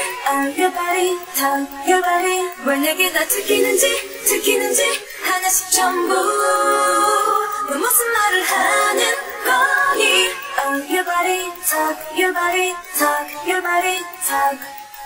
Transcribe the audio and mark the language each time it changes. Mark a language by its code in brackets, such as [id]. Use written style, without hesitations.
[en] Oh, your body, talk your body. [ko] 왜 내게 다 들키는지 들키는지 하나씩 전부 너 무슨 말을 하는 거니. [en] Oh, your body, talk your body, talk your body, talk.